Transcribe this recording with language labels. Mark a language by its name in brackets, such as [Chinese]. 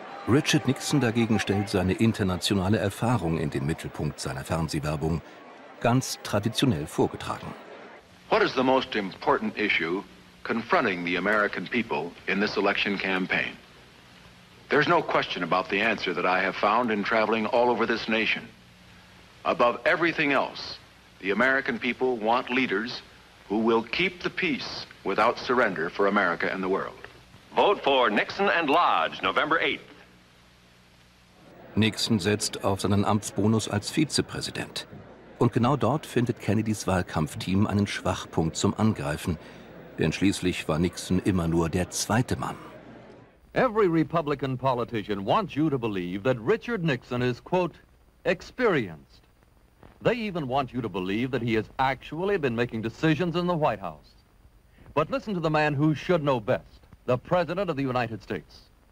[German] Richard Nixon dagegen stellt seine internationale Erfahrung in den Mittelpunkt seiner Fernsehwerbung, ganz traditionell vorgetragen. [English] What is the most important issue confronting the American people in this election campaign? There's no question about the answer that I have found in traveling all over this nation. Above everything else, the American people want leaders who will keep the peace without surrender for America and the world. Vote for Nixon and Lodge, November 8th. [German] Nixon setzt auf seinen Amtsbonus als Vizepräsident. Und genau dort findet Kennedys Wahlkampfteam einen Schwachpunkt zum Angreifen. Denn schließlich war Nixon immer nur der zweite Mann. [English] Every Republican politician wants you to believe that Richard Nixon is, quote, experienced. They even want you to believe that he has actually been making decisions in the White House. But listen to the man who should know best, the President of the United States.